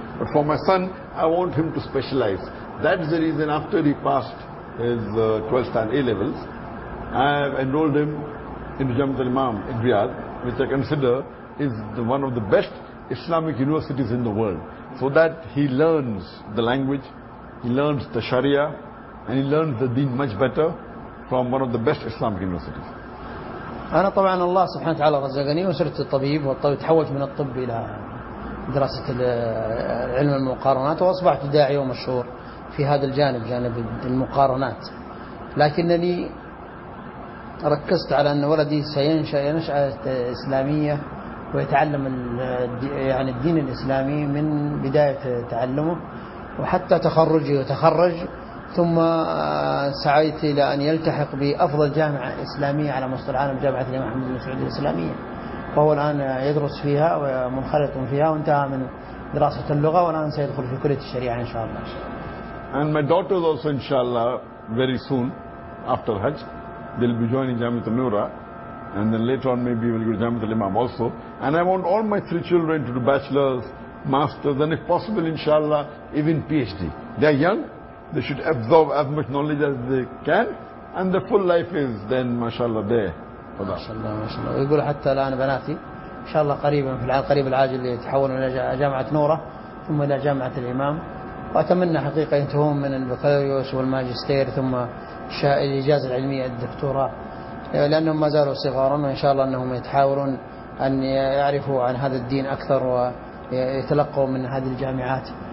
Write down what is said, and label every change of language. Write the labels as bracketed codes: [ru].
[en] But for my son, I want him to specialize. That's the reason after he passed his 12th and A-levels, I have enrolled him in Jamiat al-Imam in Riyadh, which I consider is the, one of the best Islamic universities in the world. So that he learns the language, he learns the Sharia, and he learns the deen much better from one of the best Islamic universities. [ar] أنا طبعا الله سبحانه وتعالى رزقني وصرت طبيب وتحولت من الطب إلى دراسة علم المقارنات وأصبحت داعي ومشهور في هذا الجانب جانب المقارنات لكنني ركزت على أن ولدي سينشأ نشأة إسلامية ويتعلم يعني الدين الإسلامي من بداية تعلمه وحتى تخرجي وتخرج ثم سعيت إلى أن يلتحق بأفضل جامعة إسلامية على مستوى العالم جامعة الإمام محمد بن سعود الإسلامية فهو الآن يدرس فيها ومنخرط فيها وانتهى من دراسة اللغة والآن سيدخل في كلية الشريعة إن شاء الله. [en] And my daughters also inshallah very soon after Hajj they'll be joining Jamiat al-Nura and then later on maybe we'll go to Jamiat al-Imam also and I want all my three children to do bachelor's, master's and if possible inshallah even PhD. They are young. They should absorb as much knowledge as they can, and the full life is then, mashallah, there. Mashallah, mashallah. We will [ar] حتى الآن بناتي. Inshallah, قريبا في القريب العاجل يتحولون إلى جامعة نورة ثم إلى جامعة الإمام. وأتمنى حقيقة ينتهون من البكالوريوس والماجستير ثم الإجازة العلمية الدكتوراه لأنهم ما زالوا صغارا وإن شاء الله أنهم يتحاورون أن يعرفوا عن هذا الدين أكثر ويتلقوا من هذه الجامعات.